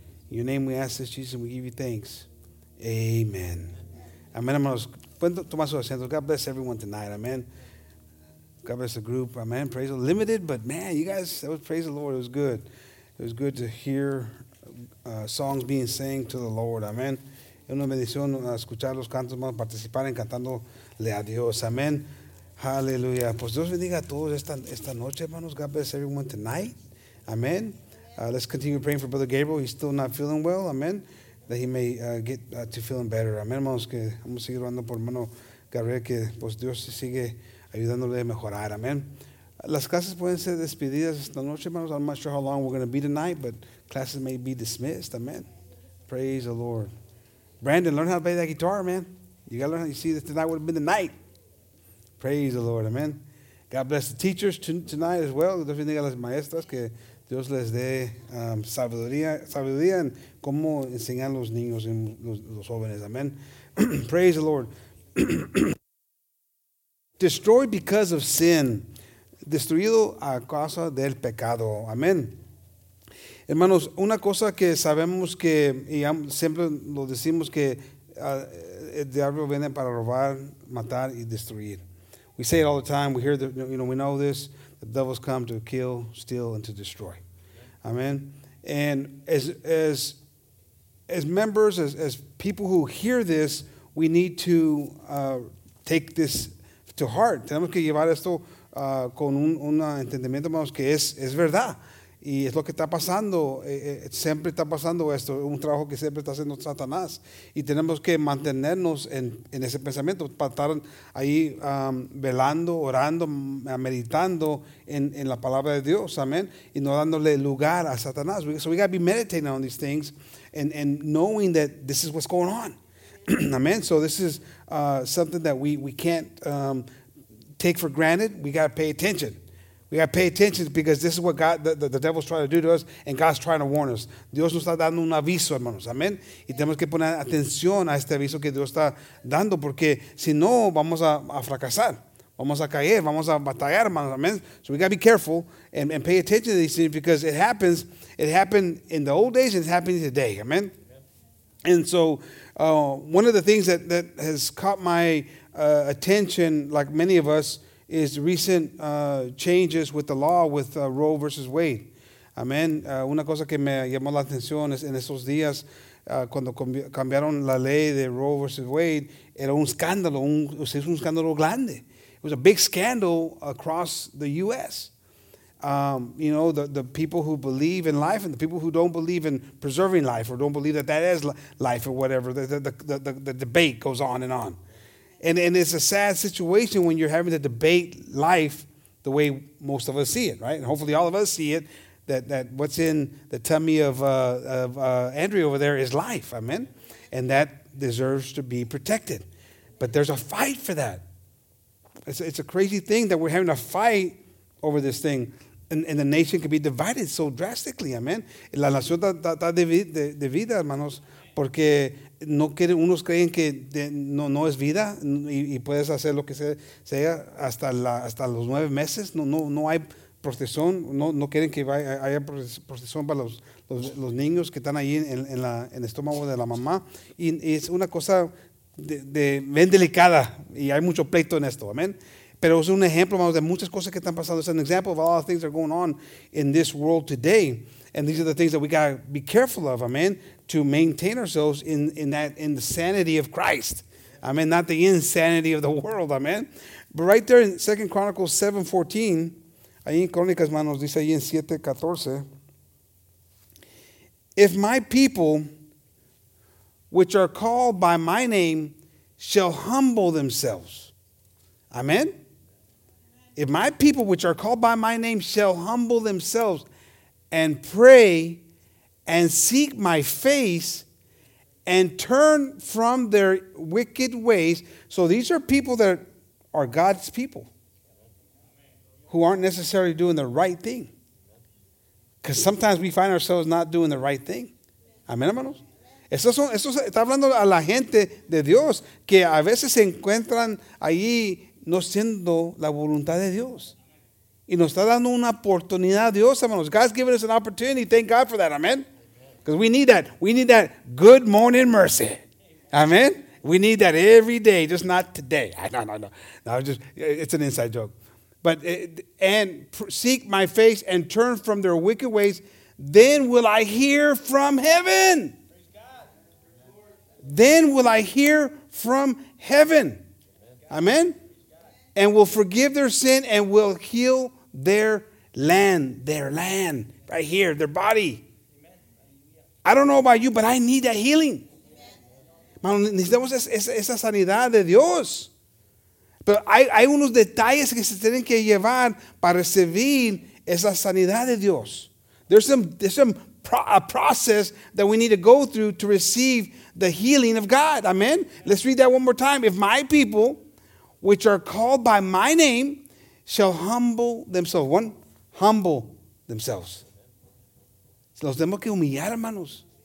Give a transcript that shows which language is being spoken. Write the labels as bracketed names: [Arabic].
[English] In your name we ask this, Jesus, and we give you thanks. [Spanish] Amen. Amen, hermanos. Toma sus asientos. [English] God bless everyone tonight. Amen. God bless the group. Amen. Praise the Lord. Limited, but man, you guys, that was praise the Lord. It was good. It was good to hear songs being sang to the Lord. Amen. [Spanish] Es una bendición escuchar los cantos, hermanos, participar en cantándole a Dios. Amen. Hallelujah. Pues Dios bendiga a todos esta noche, hermanos. [English] God bless everyone tonight. Amen. Let's continue praying for Brother Gabriel. He's still not feeling well. Amen. That he may get to feeling better. [Spanish] Amen, hermanos, que vamos a seguir orando por hermano Gabriel, que pues Dios sigue ayudándole a mejorar. Amen. Las clases pueden ser despedidas esta noche, hermanos. [English] I'm not sure how long we're going to be tonight, but classes may be dismissed. Amen. Praise the Lord. Brandon, learn how to play that guitar, man. You got to learn how to see that tonight would have been the night. Praise the Lord. Amen. God bless the teachers tonight as well. [Spanish] Dios bendiga a las maestras, que Dios les dé sabiduría en cómo enseñar a los niños y los jóvenes. [English] Amen. Praise the Lord. Destroyed because of sin. [Spanish] Destruido a causa del pecado. Amen. Hermanos, una cosa que sabemos que, y siempre lo decimos, que el diablo viene para robar, matar y destruir. [English] We say it all the time. We hear that, you know, we know this. The devil's come to kill, steal, and to destroy. Amen. And as members, as people who hear this, we need to take this to heart. [Spanish] Tenemos que llevar esto con un entendimiento, hermanos, que es verdad. Y es lo que está pasando. Siempre está pasando esto. Un trabajo que siempre está haciendo Satanás. Y tenemos que mantenernos en ese pensamiento. Para estar ahí velando, orando, meditando en la palabra de Dios. Amén. Y no dándole lugar a Satanás. [English] So we got to be meditating on these things. And knowing that this is what's going on. Amén. So this is something that we can't take for granted. We got to pay attention. We got to pay attention because this is what God, the devil's trying to do to us, and God's trying to warn us. [Spanish] Dios nos está dando un aviso, hermanos. Amén. Y tenemos que poner atención a este aviso que Dios está dando, porque si no, vamos a fracasar. Vamos a caer. Vamos a batallar, hermanos. Amén. [English] So we got to be careful and pay attention to these things because it happens. It happened in the old days, and it's happening today. Amén. And so one of the things that has caught my attention, like many of us, is recent changes with the law with Roe versus Wade. Amen. [Spanish] Una cosa que me llamó la atención es en esos días cuando cambiaron la ley de Roe versus Wade, era un escándalo, un escándalo grande. [English] It was a big scandal across the U.S. You know, the people who believe in life and the people who don't believe in preserving life or don't believe that is life or whatever, the debate goes on and on. And it's a sad situation when you're having to debate life the way most of us see it, right? And hopefully all of us see it, that what's in the tummy of Andrea over there is life, amen? And that deserves to be protected. But there's a fight for that. It's a crazy thing that we're having a fight over this thing, and the nation can be divided so drastically, amen? [Spanish] La nación está dividida, hermanos, porque no quieren, unos creen que no es vida y puedes hacer lo que sea hasta los 9 meses. No hay protección. No quieren que haya protección para los niños que están ahí en el estómago de la mamá. Y es una cosa de bien delicada y hay mucho pleito en esto. Amén. Pero es un ejemplo, hermanos, de muchas cosas que están pasando. Es un ejemplo de todas las cosas que están pasando en este mundo hoy. [English] And these are the things that we got to be careful of, amen, to maintain ourselves in the sanity of Christ. Amen, not the insanity of the world, amen. But right there in 2 Chronicles 7:14, [Spanish] ahí en Crónicas, manos, dice ahí en 7:14, [English] if my people, which are called by my name, shall humble themselves, Amen? If my people, which are called by my name, shall humble themselves and pray and seek my face and turn from their wicked ways. So these are people that are God's people who aren't necessarily doing the right thing. Because sometimes we find ourselves not doing the right thing. [Spanish] Amén, hermanos. Eso está hablando a la gente de Dios que a veces se encuentran ahí no siendo la voluntad de Dios. Y nos está dando una oportunidad a Dios, hermanos. [English] God's giving us an opportunity. Thank God for that. Amen. Because we need that. We need that good morning mercy. Amen. We need that every day, just not today. No. No, just, it's an inside joke. But and seek my face and turn from their wicked ways, then will I hear from heaven. Then will I hear from heaven. Amen. And will forgive their sin and will heal their land, right here, their body. I don't know about you, but I need that healing. [Spanish] Mano, necesitamos esa sanidad de Dios. Pero hay unos detalles que se tienen que llevar para recibir esa sanidad de Dios. [English] There's a process that we need to go through to receive the healing of God. Amen? Let's read that one more time. If my people, which are called by my name, shall humble themselves. One, humble themselves. [Spanish] Los tenemos que humillar, hermanos.